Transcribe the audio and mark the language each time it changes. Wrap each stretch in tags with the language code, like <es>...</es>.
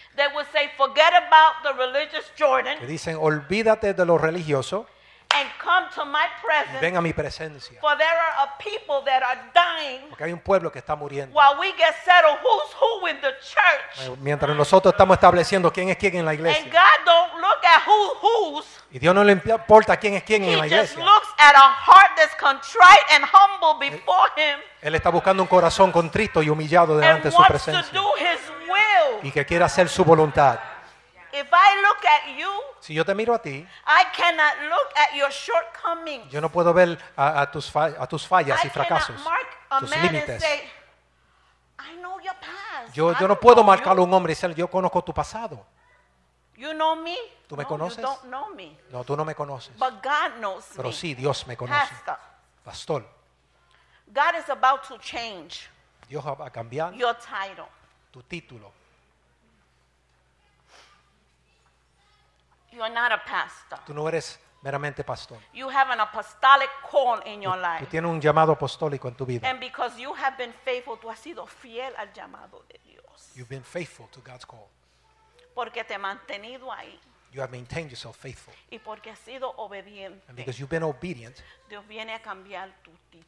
<en>They would say, forget about the religious Jordan.</en> <es>Que dicen, olvídate de lo religioso.</es> <en>And come to my presence.</en> <es>Y ven a mi presencia.</es> <en>For there are a people that are dying.</en> <es>Porque hay un pueblo que está muriendo.</es> <en>While we get settled, who's who in the church.</en> <es>Mientras nosotros estamos estableciendo quién es quién en la iglesia.</es> <en>And God don't look at who's.</en> <es>Y Dios no le importa quién es quién</es> <en>he</en> <es>en la iglesia.</es> <en>He just looks at a heart that's contrite and humble before Him.</en> <es>Él está buscando un corazón contrito y humillado delante de su presencia.</es> <en>And wants to do His will.</en> <es>Y que quiera hacer su voluntad.</es> <en>If I look at you,</en> <es>si yo te miro a ti,</es> <en>I cannot look at your shortcomings.</en> <es>Yo no puedo ver a tus fallas y fracasos, tus límites.</es> <en>I know your past.</en> <es>Yo no puedo marcar a un hombre y decir, yo conozco tu pasado.</es> <en>You know me?</en> <es>¿Tú me conoces?</es> <en>You don't know me.</en> <es>No, tú no me conoces.</es> <en>But God knows</en> <es>pero</es> <en>me.</en> <es>Sí, Dios me conoce.</es> <en>Pastor. God is about to change</en> <es>Dios va a cambiar</es> <en>your title.</en> <es>Tu título.</es> <en>You are not a pastor.</en> <es>Tú no eres meramente pastor.</es> <en>You have an apostolic call in your life.</en> <es>Tú tienes un llamado apostólico en tu vida.</es> <en>And because you have been faithful,</en> <es>tú has sido fiel al llamado de Dios.</es> <en>You've been faithful to God's call.</en> <es>Porque te he mantenido ahí.</es> <en>You have maintained yourself faithful.</en> <es>Y porque has sido obediente.</es> <en>And because you've been obedient,</en> <es>Dios viene a cambiar tu título.</es>